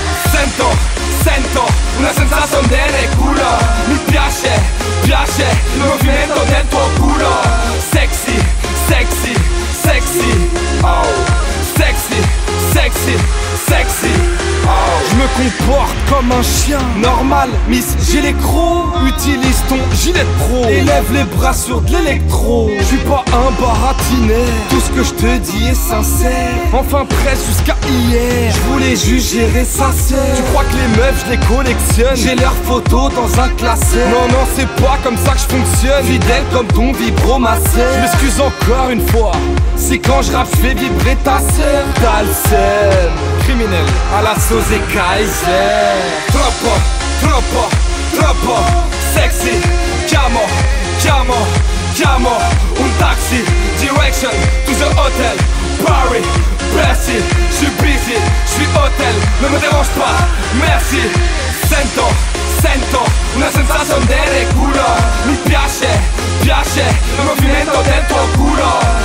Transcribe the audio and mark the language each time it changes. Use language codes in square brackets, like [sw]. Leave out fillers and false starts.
[it] Sento, sento, [es] una sensación de reculo. [it] Mi piace, piace, il movimento del tuo culo. [en] Sexy, sexy, sexy, oh. Sexy, sexy, sexy, oh. [fr] Je me comporte comme un chien normal, miss, j'ai les crocs. Utilise ton gilet de pro, élève les bras sur de l'électro. Je suis pas un baratineur, tout ce que je te dis est sincère. Enfin presque jusqu'à hier, je voulais juste gérer sa sœur. Tu crois que les meufs je les collectionne, j'ai leurs photos dans un classeur. Non non, c'est pas comme ça que je fonctionne, fidèle comme ton vibromasseur. Je m'excuse encore une fois, c'est quand je rappe, fais vibrer ta sœur. Dalsem, criminel à la sauce et Kaiser. Trappa, trappa, trappa. [it] Sexy, chiamo, chiamo, chiamo. [en] Un taxi, direction to the hotel. [fr] Paris, merci, j'suis busy, j'suis hotel. Ne me dérange pas, merci. [it] Sento, sento, [es] una sensación de reculo. [it] Mi piace, piace, il movimento del tuo culo.